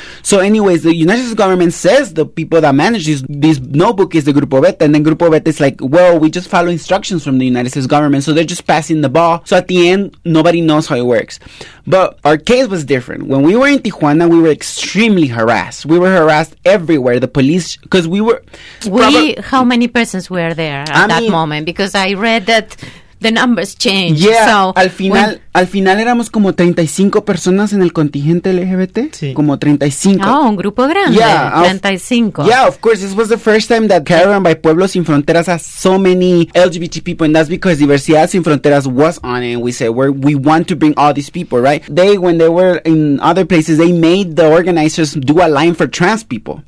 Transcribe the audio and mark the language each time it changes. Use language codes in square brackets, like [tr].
[en] So anyways, the United States government says the people that manage this notebook is the Grupo Beta. And then Grupo Beta is like, well, we just follow instructions from the United States government. So they're just passing the ball. So at the end, nobody knows how it works. But our case was different. When we were in Tijuana, we were extremely harassed. We were harassed everywhere. The police, because we were... How many persons were there at that moment? Because I read that the numbers changed. Yeah, so [es] al final éramos como 35 personas en el contingente LGBT. Sí. Como 35. Oh, un grupo grande. Yeah, 35. [en] Yeah, of course. This was the first time that Caravan by Pueblo Sin Fronteras has so many LGBT people. And that's because Diversidad Sin Fronteras was on it. And we said, we want to bring all these people, right? When they were in other places, they made the organizers do a line for trans people.